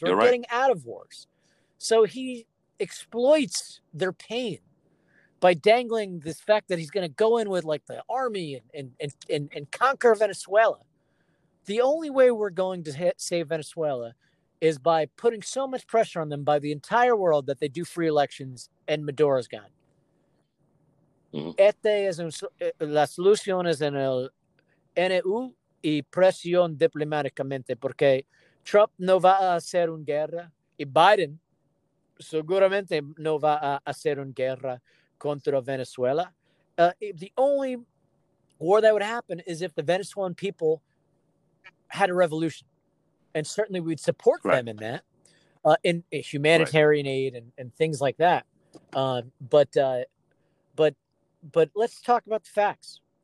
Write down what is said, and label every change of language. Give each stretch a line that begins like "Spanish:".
English: We're getting out of wars. So he exploits their pain by dangling this fact that he's going to go in with, like, the army and conquer Venezuela. The only way we're going to save Venezuela is by putting so much pressure on them by the entire world that they do free elections and Maduro's gone.
Spanish: Este es la solución es en el NU y presión diplomáticamente porque Trump no va a hacer una guerra y Biden seguramente no va a hacer una guerra contra Venezuela.
English: The only war that would happen is if the Venezuelan people had a revolution. And certainly we'd support them in that, in humanitarian aid and things like that. But let's talk about the facts.